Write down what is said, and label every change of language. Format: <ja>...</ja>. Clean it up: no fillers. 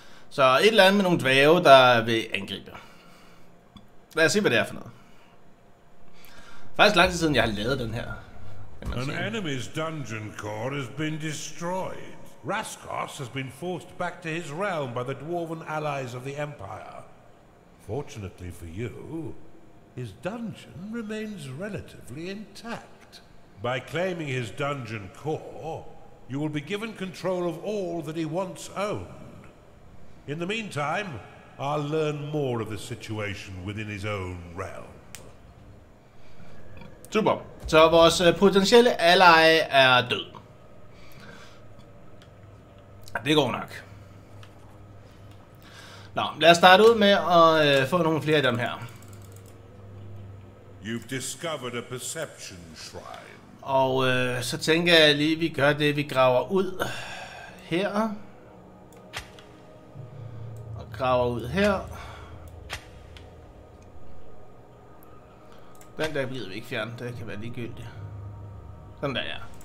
<da>Så et eller andet med nogle dværge, der vil angribe. Lad os se, hvad det er for noget. Faktisk lang tid siden, jeg har lavet den her.</da> <en>An enemy's dungeon core has been destroyed. Raskos has been forced back to his realm by the dwarven allies of the Empire. Fortunately for you, his dungeon remains relatively intact. By claiming his dungeon core, you will be given control of all that he once owned. In the meantime, I'll learn more of the situation within his own realm.</en> <da>Super. Så vores potentielle ally er død. Det går nok. Nå, lad os starte ud med at få nogle flere af dem her.</da> <en>You've discovered a perception shrine.</en> <da>Og så tænker jeg lige, vi gør det, vi graver ud her. Graver ud her. Den der bliver vi ikke fjernet, det kan være ligegyldigt. Sådan der, ja.</da>